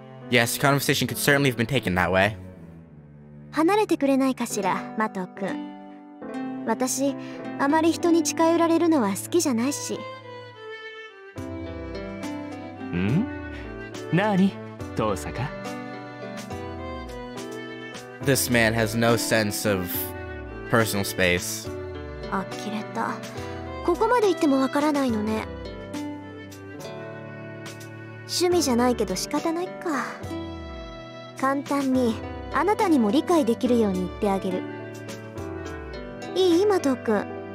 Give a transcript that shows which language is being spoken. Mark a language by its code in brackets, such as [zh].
[en] Yes, the conversation could certainly have been taken that way. [ja] 離れてくれないかしら、マト君。私、あまり人に近寄られるのは好きじゃないし。ん？なに、トーサカ？ [en] This man has no sense of personal space. [ja] あきれた。ここまで行ってもわからないのね。趣味じゃないけど仕方ないか。簡単に。あなたにも理解できるように言ってあげる。いい、マト君。